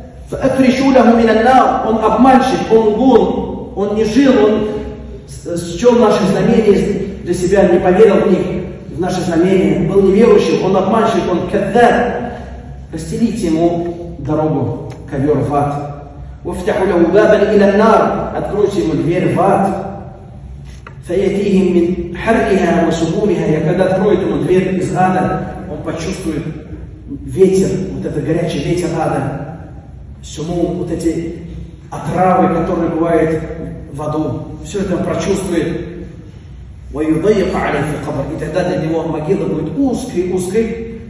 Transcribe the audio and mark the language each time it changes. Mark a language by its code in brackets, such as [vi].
[ar] فأفرشوا له من النار. [ru] Он обманщик, он лгун, он не жил, он счел наши знамения для себя, не поверил в них, в наши знамения, был неверующим, он обманщик, он кадзаб. Расстелите ему дорогу, ковер в ад. [ar] وافتحوا له بابا إلى النار. [ru] Откройте ему дверь в ад. [ar] فيأتيهم من حرها وسبولها. [ru] И когда откроет ему дверь из ада, он почувствует ветер, вот этот горячий ветер ада. Всему вот эти отравы, которые бывают в аду, все это он прочувствует. [ar] وَيُضَيِّقَ عَلَيْهِ الْقَبْرِ. [ru] И тогда для него могила будет узкой-узкой,